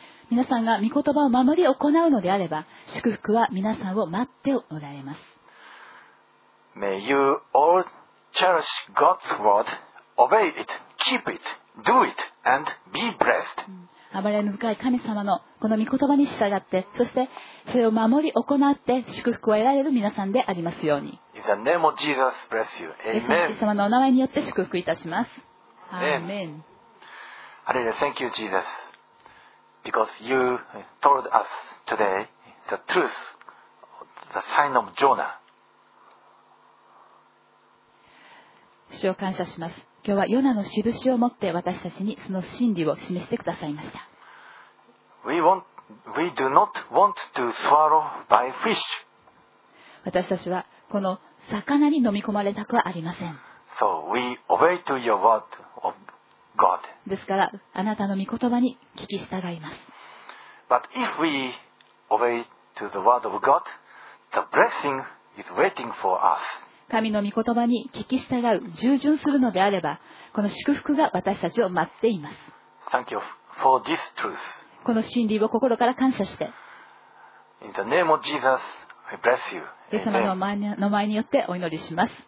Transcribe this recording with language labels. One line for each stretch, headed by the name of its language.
Japanese: 皆さんが御言葉を守り行うのであれば、祝福は皆さんを待っておられます。
English: May you all cherish God's word, obey it, keep it, do it, and be blessed.
Japanese: 憐れみ深い神様のこの御言葉に従って、そしてそれを守り行って祝福を得られる皆さんでありますように。
English: In the name of Jesus, bless you. Amen.
Japanese: イエス様のお名前によって祝福いたします。アーメン。
English: Hallelujah, thank you, Jesus, because you told us today the truth, the sign of Jonah.
Japanese: 主を感謝します。今日はヨナの印を持って私たちにその真理を示してくださいました。
English: We do not want to swallow by fish.
Japanese: 私たちはこの魚に飲み込まれたくはありません。
English: So we obey to your word of God.
Japanese: ですからあなたの御言葉に聞き従います。
English: But if we obey to the word of God, the blessing is waiting for us.
Japanese: 神の御言葉に聞き従う、従順するのであれば、この祝福が私たちを待っています。
English: Thank you for this truth.
Japanese: この真理を心から感謝して、
English: In the name of Jesus, I bless you.
Japanese: イエス様の名前によってお祈りします。